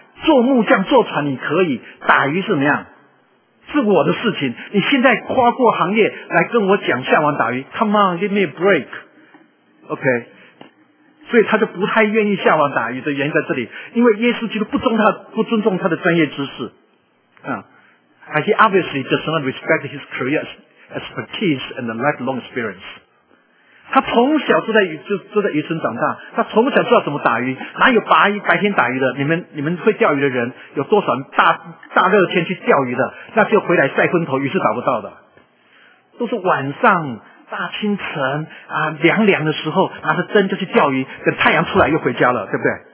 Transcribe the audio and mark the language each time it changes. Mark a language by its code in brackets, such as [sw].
[zh] 做木匠做船你可以，打鱼是怎么样？是我的事情。你现在跨过行业来跟我讲下网打鱼， [en] Come on, give me a break. [zh] OK， 所以他就不太愿意下网打鱼的原因在这里，因为耶稣基督不尊重他的专业知识啊。 [en] He obviously does not respect his career expertise and the lifelong experience. [zh] 他从小就在渔村长大，他从小知道怎么打鱼，哪有白天打鱼的？你们会钓鱼的人有多少大热天去钓鱼的？那就回来晒昏头，鱼是打不到的。都是晚上大清晨啊，凉凉的时候拿着针就去钓鱼，等太阳出来又回家了，对不对？